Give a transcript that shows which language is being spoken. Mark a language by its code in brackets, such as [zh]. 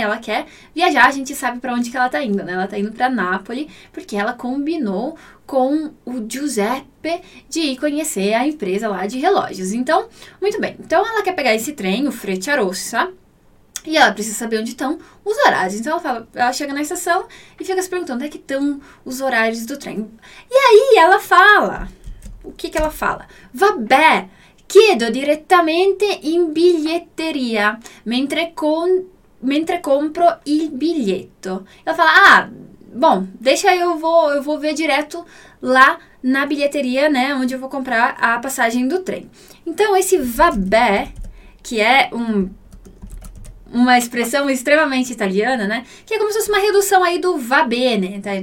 [pt] Ela quer viajar, a gente sabe para onde que ela tá indo, né? Ela tá indo para Nápoles, porque ela combinou com o Giuseppe de ir conhecer a empresa lá de relógios. Então, muito bem. Então, ela quer pegar esse trem, o Frecciarossa, e ela precisa saber onde estão os horários. Então, ela chega na estação e fica se perguntando onde é que estão os horários do trem. E aí, ela fala... O que que ela fala? [it] Vabbè, chiedo direttamente in biglietteria, mentre compro il biglietto. [pt] Ela fala, ah... Bom, deixa eu vou ver direto lá na bilheteria, né, onde eu vou comprar a passagem do trem. Então, esse vabbè, que é uma expressão extremamente italiana, né, que é como se fosse uma redução aí do va bene, tá?